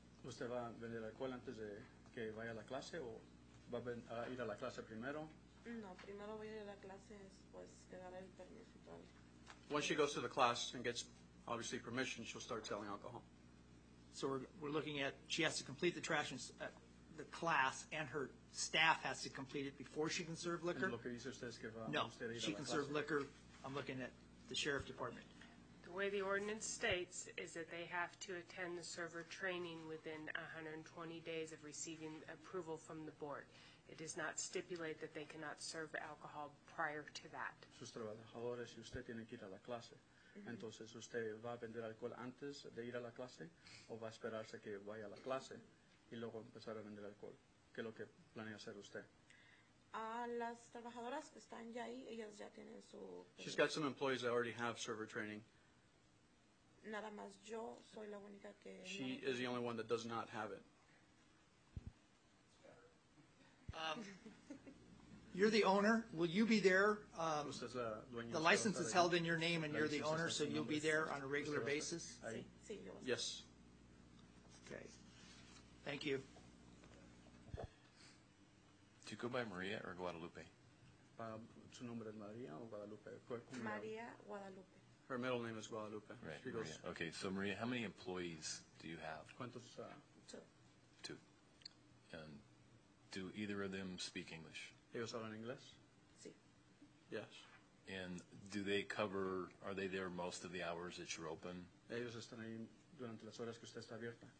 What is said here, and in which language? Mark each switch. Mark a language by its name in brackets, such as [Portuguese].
[Spanish] Usted va a vender alcohol antes de que vaya a la clase o va a ir a la clase primero? No, primero voy a ir a la clase después de dar el permiso todavía. [English] Once she goes to the class and gets, obviously, permission, she'll start selling alcohol. So we're looking at, she has to complete the trash in the class, and her staff has to complete it before she can serve liquor? [Spanish] Lo que dice usted es que va no, usted a ir [English] she [Spanish] a la [English] can [Spanish] clase. [English] Serve liquor. I'm looking at the sheriff department. The way the ordinance states is that they have to attend the server training within 120 days of receiving approval from the board. It does not stipulate that they cannot serve alcohol prior to that. [Spanish] Sus trabajadores, usted tiene que ir a la clase. Mm-hmm. Entonces, usted va a vender alcohol antes de ir a la clase o va a esperarse que vaya a la clase y luego empezar a vender alcohol. ¿Qué es lo que planea hacer usted? Las trabajadoras que están ya ahí, ellas ya tienen su... [English] She's got some employees that already have server training. [Spanish] Nada más yo soy la única que... [English] She is the only one that does not have it. You're the owner. Will you be there? The license is held in your name, and you're the owner, so you'll be there on a regular basis? [Spanish] Sí. Sí, [English] yes. Okay. Thank you. Do you go by Maria or Guadalupe? [Spanish] Su nombre es Maria o Guadalupe? Maria Guadalupe. [English] Her middle name is Guadalupe. Right, Maria. Okay, so Maria, how many employees do you have? [Spanish] ¿Cuántos? [English] Two. And... Do either of them speak English? [Spanish] Ellos hablan inglés? Sí. [English] Yes. And do they cover, are they there most of the hours that you're open? [Spanish] Ellos están ahí durante las horas que usted está abierta.